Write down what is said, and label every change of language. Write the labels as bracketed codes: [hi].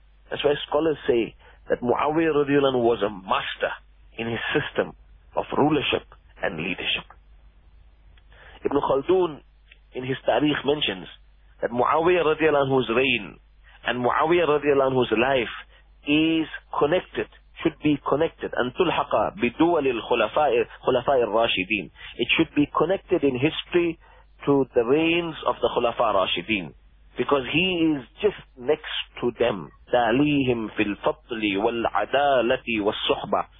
[en] That's why scholars say that Muawiyah radiallahu anhu was a master in his system of rulership and leadership. Ibn Khaldun in his Tariq mentions that Muawiyah radiallahu anhu's reign and Muawiyah radiallahu anhu's life is connected, should be connected. [ar] أن تلحق بدول الخلفاء الراشدين. [en] It should be connected in history to the reigns of the Khulafa Rashidin. Because he is just next to them. [ar] تاليهم في الفضل والعدالة والصحبة.